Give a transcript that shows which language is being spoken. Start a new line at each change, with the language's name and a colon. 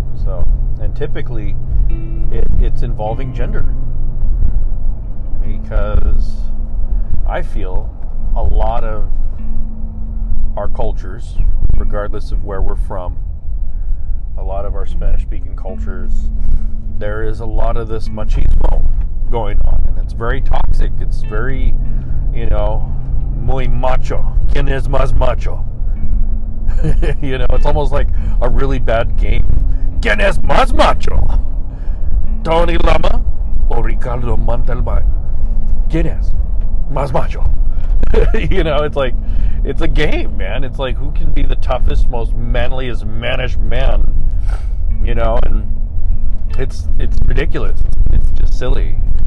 English: So, and typically, it's involving gender, because I feel a lot of our cultures, regardless of where we're from, a lot of our Spanish-speaking cultures, there is a lot of this machismo going on. It's very toxic. It's very, you know,
Spanish: muy macho. ¿Quién es más macho?
English: You know, it's almost like a really bad game.
Spanish: ¿Quién es más macho? ¿Tony Lama o Ricardo Montalbán? ¿Quién es más macho?
English: You know, it's like, it's a game, man. It's like, who can be the toughest, most manliest, mannish man? You know, and it's ridiculous. It's just silly.